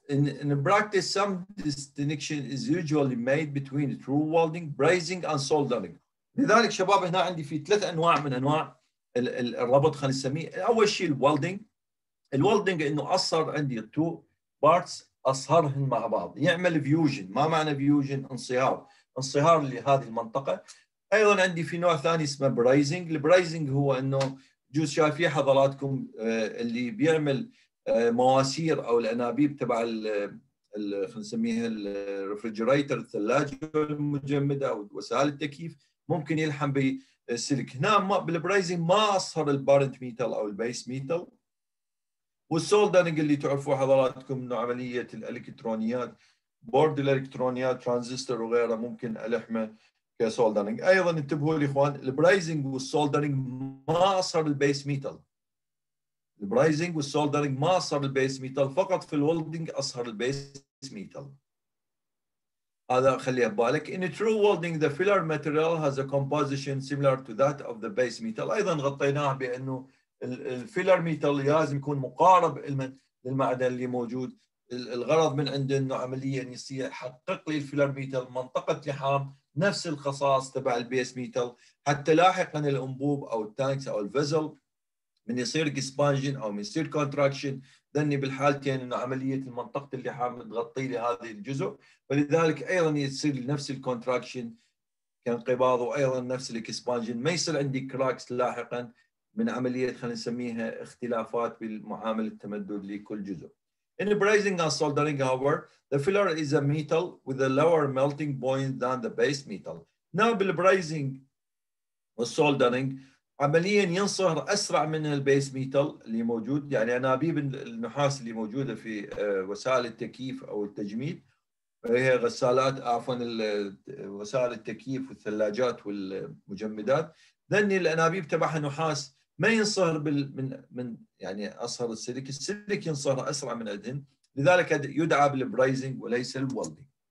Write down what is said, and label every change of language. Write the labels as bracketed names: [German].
[English] In practice, some distinction is usually made between true welding, brazing, and soldering. [Arabic] لذلك شباب هنا عندي في ثلاث أنواع من أنواع الربط خلينا نسميه. أول شيء الwelding. الwelding إنه أصهر عندي [English] two parts [Arabic] أصهرهن مع بعض، يعمل fusion. ما معنى fusion؟ انصهار، انصهار لهذه المنطقة. أيضا عندي في نوع ثاني اسمه brazing. البرايزنج هو إنه جوز شايف حضراتكم اللي بيعمل مواسير او الانابيب تبع ال خلينا نسميها الريفرجريتر، الثلاجه المجمده او وسائل التكييف، ممكن يلحم بالسلك. هنا بالبرايزنج ما اصهر البارنت ميتال او البيس ميتال. والسولدرنج اللي تعرفوه حضراتكم انه عمليه الالكترونيات، بورد الالكترونيات، ترانزستور وغيره، ممكن الحمه كسولدرنج. ايضا انتبهوا لي اخوان، البرايزنج والسولدرنج ما اصهر البيس ميتال. البرايزنج والسولدرنج ما اصهر البيس ميتال، فقط في الولدنج اصهر البيس ميتال. هذا خليه ببالك. [English] In true welding, the filler material has a composition similar to that of the base metal. [Arabic] ايضا غطيناه بانه الفيلر ميتال لازم يكون مقارب للمعدن اللي موجود. الغرض من عنده انه عمليا يصير حقق لي الفيلر ميتال منطقه لحام نفس الخصائص تبع البيس ميتال، حتى لاحقا الانبوب او التانكس او الفيزل من يصير اكسبانجن او من يصير كونتراكشن، ذني بالحالتين انه عمليه المنطقه اللي حامل تغطي لي هذه الجزء، ولذلك ايضا يصير نفس الكونتراكشن كانقباض وايضا نفس الاكسبانجن، ما يصير عندي كراكس لاحقا من عمليه خلينا نسميها اختلافات بالمعامل التمدد لكل جزء. [English] In brazing and soldering, however, the filler is a metal with a lower melting point than the base metal. Now, [Arabic] بالبرايزنج والسولدرنج عمليا ينصهر اسرع من البيس ميتال اللي موجود، يعني انابيب النحاس اللي موجوده في وسائل التكييف او التجميد، هي غسالات، عفوا، وسائل التكييف والثلاجات والمجمدات، ذني الانابيب تبعها نحاس ما ينصهر من يعني اصهر السلك، السلك ينصهر اسرع من عندهم، لذلك يدعى بالبرايزنج وليس الولدنج.